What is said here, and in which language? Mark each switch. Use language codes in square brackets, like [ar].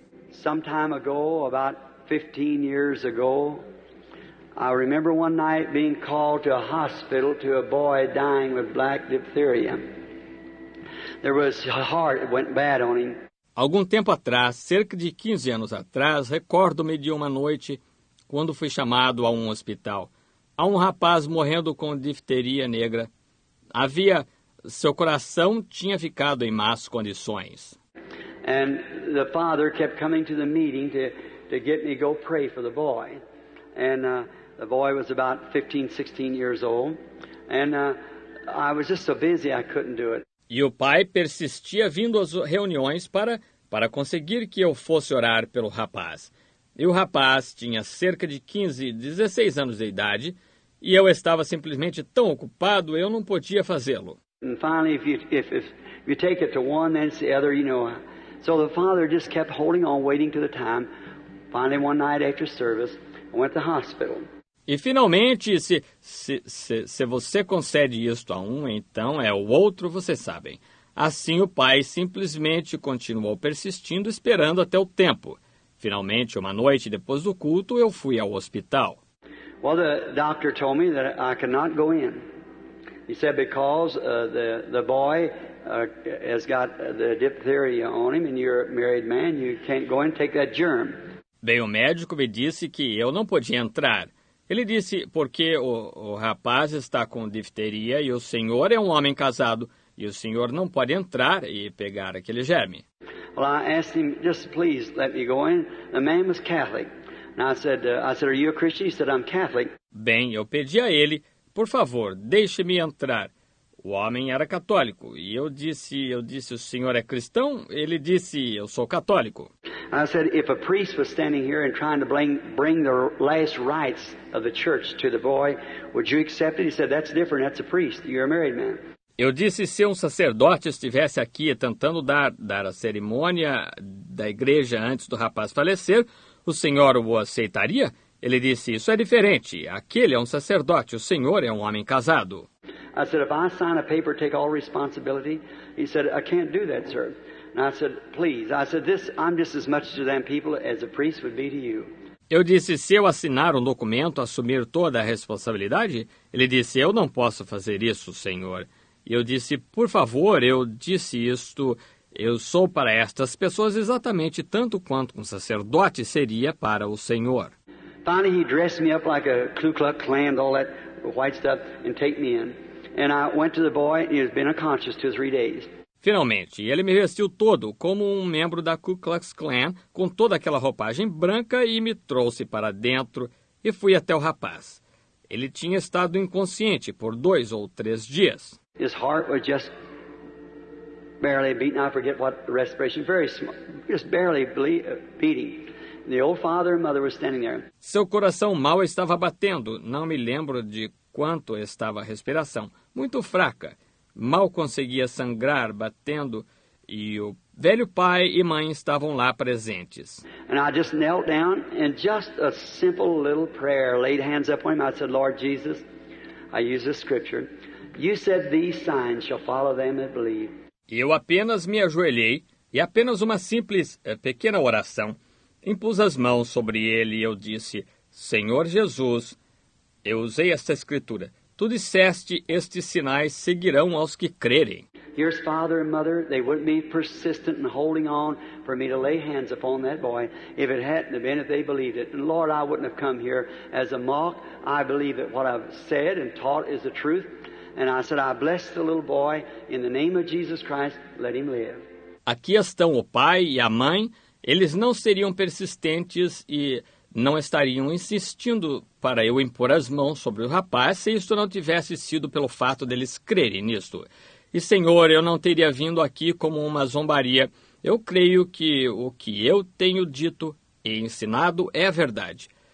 [en] Some time ago, about 15 years ago, I remember one night being called to a hospital to a boy dying with black diphtheria. There was a heart that went bad on him. [pt] Algum tempo atrás, cerca de 15 anos atrás, recordo-me de uma noite quando fui chamado a um hospital. Há um rapaz morrendo com difteria negra. Havia, seu coração tinha ficado em más condições. [en] And the father kept coming to the meeting to get me go pray for the boy. And the boy was about 15, 16 years old. And I was just so busy I couldn't do it. [pt] E o pai persistia vindo às reuniões para conseguir que eu fosse orar pelo rapaz. E o rapaz tinha cerca de 15, 16 anos de idade, e eu estava simplesmente tão ocupado, eu não podia fazê-lo. [en] And finally, if you take it to one, then it's the other, you know. So the father just kept holding on, waiting to the time. Finally, one night after service, I went to the hospital. [pt] E finalmente, se você concede isto a um, então é o outro, vocês sabem. Assim, o pai simplesmente continuou persistindo, esperando até o tempo. Finalmente, uma noite depois do culto, eu fui ao hospital. [en] Well, the doctor told me that I could not go in. He said because the boy has got the diphtheria on him and you're a married man, you can't go in and take that germ. [pt] Bem, o médico me disse que eu não podia entrar. Ele disse porque o rapaz está com difteria e o senhor é um homem casado e o senhor não pode entrar e pegar aquele germe. [en] Well, I asked him, just please let me go in. The man was Catholic. And I said, are you a Christian? He said, I'm Catholic. [pt] Bem, eu pedi a ele, por favor, deixe-me entrar. O homem era católico. E eu disse, o senhor é cristão? Ele disse, eu sou católico. [en] And I said, if a priest was standing here and trying to bring the last rites of the church to the boy, would you accept it? He said, that's different, that's a priest. You're a married man. [pt] Eu disse, se um sacerdote estivesse aqui tentando dar a cerimônia da igreja antes do rapaz falecer, o senhor o aceitaria? Ele disse, isso é diferente. Aquele é um sacerdote. O senhor é um homem casado. [en] I said, if I sign a paper, take all responsibility. He said, I can't do that, sir. And I said, please. I said, this, I'm just as much to them people as a priest would be to you. [pt] Eu disse, se eu assinar um documento, assumir toda a responsabilidade? Ele disse, eu não posso fazer isso, senhor. E eu disse, por favor, eu disse isto, eu sou para estas pessoas exatamente tanto quanto um sacerdote seria para o senhor. [en] Finally he dressed me up like a Ku Klux Klan, all that white stuff, and take me in. And I went to the boy, and he has been unconscious 2 or 3 days. [pt] Finalmente, ele me vestiu todo como um membro da Ku Klux Klan, com toda aquela roupagem branca, e me trouxe para dentro e fui até o rapaz. Ele tinha estado inconsciente por 2 ou 3 dias. [en] His heart was just barely beating. I forget what the respiration, very small, just barely beating. The old father and mother were standing there. [pt] Seu coração mal estava batendo. Não me lembro de quanto estava a respiração. Muito fraca. Mal conseguia sangrar, batendo, e o velho pai e mãe estavavam lá presentes. [en] And I just knelt down and just a simple little prayer, laid hands upon him. I said, Lord Jesus, I use this scripture. You said these signs shall follow them that believe. [pt] E eu apenas me ajoelhei e apenas uma simples pequena oração. Impus as mãos sobre ele e eu disse, Senhor Jesus, eu usei esta escritura. Tu disseste, estes sinais seguirão aos que crerem. [en] Here's father and mother, they wouldn't be persistent in holding on for me to lay hands upon that boy if it hadn't been if they believed it. And Lord, I wouldn't have come here as a mock. I believe that what I've said and taught is the truth. And I said, I bless the little boy in the name of Jesus Christ, let him live. [pt] Aqui estão o pai e a mãe. Eles não seriam persistentes e não estariam insistindo para eu impor as mãos sobre o rapaz se isto não tivesse sido pelo fato deles crerem nisto. E, Senhor, eu não teria vindo aqui como uma zombaria. Eu creio que o que eu tenho dito e ensinado é a verdade.